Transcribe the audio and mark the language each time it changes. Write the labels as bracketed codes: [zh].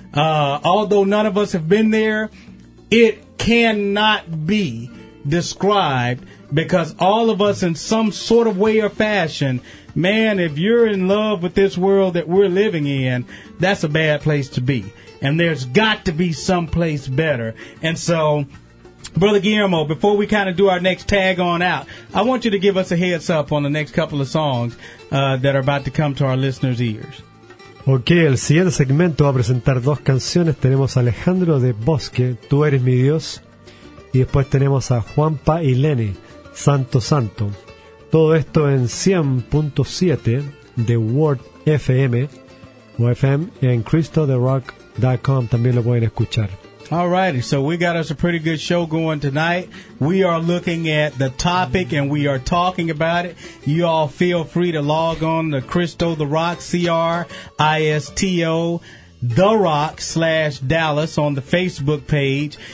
[en] Although none of us have been there, it cannot be described, because all of us in some sort of way or fashion, man, if you're in love with this world that we're living in, that's a bad place to be. And there's got to be someplace better. And so, Brother Guillermo, before we kind of do our next tag on out, I want you to give us a heads up on the next couple of songs that are about to come to our listeners' ears. [es] Okay, el siguiente segmento va a presentar dos canciones. Tenemos Alejandro de Bosque, Tú Eres Mi Dios. Y después tenemos a Juanpa y Lenny, Santo Santo. Todo esto en 100.7 de Word FM o FM en CristoTheRock.com. También lo pueden escuchar. [en] Alrighty, so we got us a pretty good show going tonight. We are looking at the topic and we are talking about it. You all feel free to log on to Christo the Rock, CRISTO, The Rock /Dallas on the Facebook page.